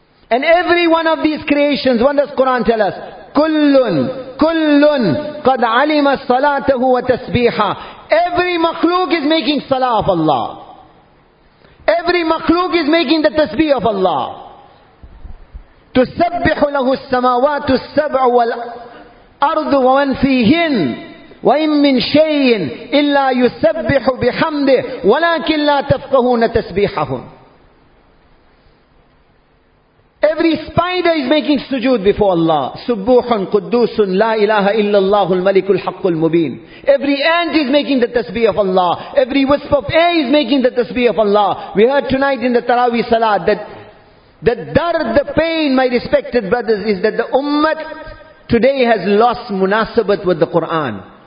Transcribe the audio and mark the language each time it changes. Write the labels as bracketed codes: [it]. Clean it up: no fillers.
[en] And every one of these creations, what does Quran tell us? [ar] Kullun, kullun, qad alima salatahu wa tasbiha. [en] Every makhluk is making salah of Allah. Every makhluk is making the tasbih of Allah. [ar] تسبح له السماوات السبع والأرض ومن فيهن وإن من شيء إلا يسبح بحمده ولكن لا تفقهون تسبيحهم. [en] Every spider is making sujood before Allah. [ar] سبوحٌ قدوسٌ لا إله إلا الله الملك الحق المبين. [en] Every ant is making the tasbih of Allah. Every wisp of air is making the tasbih of Allah. We heard tonight in the Taraweeh Salat that the dard, the pain, my respected brothers, is that the ummah today has lost munasabat with the Qur'an.